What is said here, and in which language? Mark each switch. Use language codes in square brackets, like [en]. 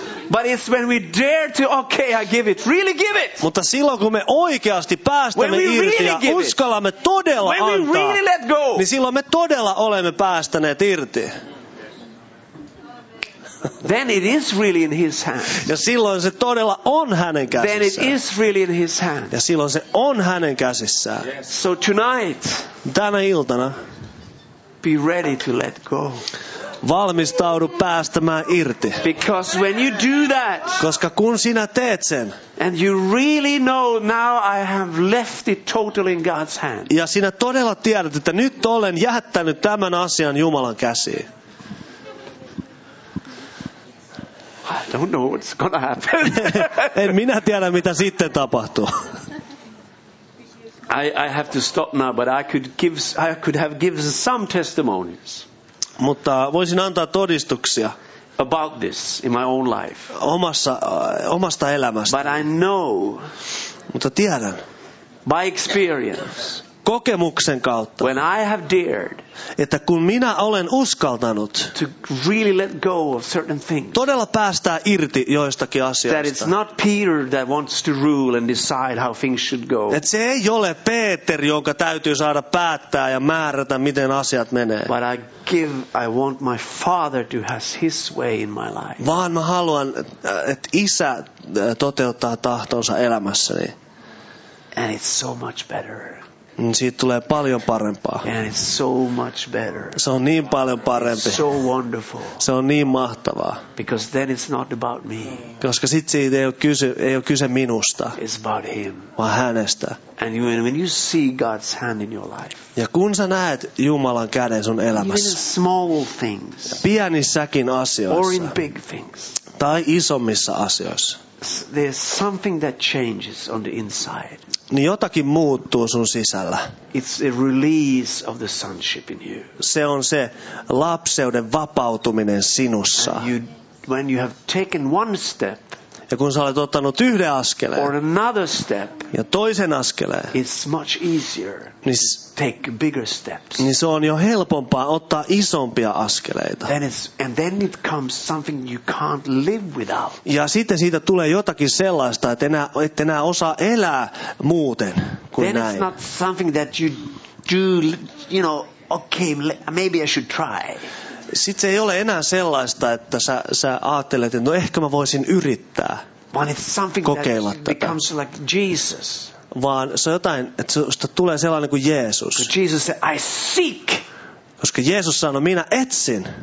[en] But it's when we dare to, okay, I give it. Really give it. [fi] Mutta silloin kun me oikeasti päästämme irti ja uskallamme todella antaa, [en] when we really let go, [fi] niin silloin me todella olemme päästäneet irti. [en] Then it is really in his hands. [fi] Ja silloin se todella on hänen käsissään. [en] Then it is really in his hands. [fi] Ja silloin se on hänen käsissään. [en] Yes. So tonight, [fi] tänä iltana, [en] be ready to let go. [fi] Valmistaudu päästämään irti. [en] Because when you do that, [fi] koska kun sinä teet sen, [en] and you really know now I have left it totally in God's hands. [fi] Ja sinä todella tiedät, että nyt olen jättänyt tämän asian Jumalan käsiin. [en] I don't know what's gonna happen. [fi] En minä tiedä, mitä sitten tapahtuu. [en] I have to stop now, but I could have given some testimonies. [fi] Mutta voisin antaa todistuksia [en] about this in my own life. [fi] Omasta elämästä. [en] But I know. [fi] Mutta tiedän. [en] By experience. [fi] Kokemuksen kautta. [en] When I have dared. [fi] Että kun minä olen uskaltanut. [en] To really let go of certain things. [fi] Todella päästää irti joistakin asioista. [en] That it's not Peter that wants to rule and decide how things should go. [fi] Että se ei ole Peter, jonka täytyy saada päättää ja määrätä, miten asiat menee. [en] But I want my father to have his way in my life. [fi] Vaan mä haluan, että isä toteuttaa tahtonsa elämässäni. [en] And it's so much better. [fi] Siitä tulee paljon parempaa. [en] And it's so much better. [fi] Se on niin paljon parempi. [en] It's so wonderful. [fi] Se on niin mahtavaa. [en] Because then it's not about me. [fi] Koska sit siitä ei ole kyse minusta. [en] It's about him. [fi] Vaan hänestä. [en] And when you see God's hand in your life. [fi] Ja kun sä näet Jumalan käden sun elämässä. [en] Even small things. [fi] Pienissäkin asioissa. [en] Or in big things. [fi] Tai isommissa asioissa. [en] There's something that changes on the inside. [fi] Niin jotakin muuttuu sun sisällä. [en] It's a release of the sonship in you. [fi] Se on se lapseuden vapautuminen sinussa. [en] And when you have taken one step. [fi] Ja kun sä olet ottanut yhden askeleen. [en] Or another step. [fi] Ja toisen askeleen. [en] It's much easier. [fi] Niin [en] take bigger steps. [fi] Niin se on jo helpompaa ottaa isompia askeleita. [en] And then it comes something you can't live without. [fi] Ja sitten siitä tulee jotakin sellaista, että et enää osaa elää muuten kuin [en] then [fi] näin. [en] Then it's not something that you do, you know, okay, maybe I should try. [fi] Sitten se ei ole enää sellaista, että sä ajattelet, että no ehkä mä voisin yrittää kokeilla tätä. [en] Becomes like Jesus. [fi] vaan se on jotain, että susta tulee sellainen kuin Jeesus. [en] But Jesus said, I seek. [fi] Koska Jeesus sanoi, minä etsin